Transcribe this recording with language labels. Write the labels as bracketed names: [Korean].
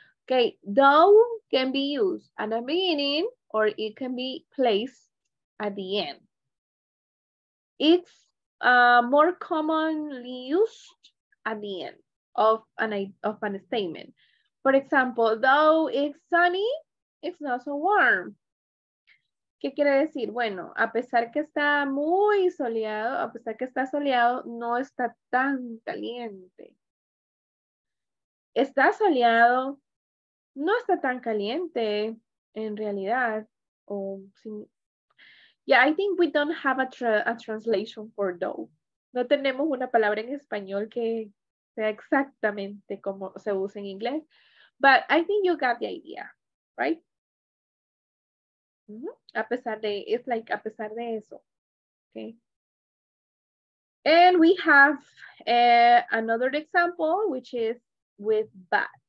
[English] Okay, though can be used at the beginning or it can be placed at the end. It's more commonly used at the end of a statement. For example, though it's sunny, it's not so warm. [Spanish] ¿Qué quiere decir? Bueno, a pesar que está muy soleado, a pesar que está soleado, no está tan caliente. Está soleado, no está tan caliente en realidad. [English] Yeah, I think we don't have a translation for though. [Spanish] No tenemos una palabra en español que sea exactamente como se usa en inglés. [English] But I think you got the idea, right? [Spanish] A pesar de, [English] it's like [Spanish] a pesar de eso, okay. [English] And we have another example, which is with but.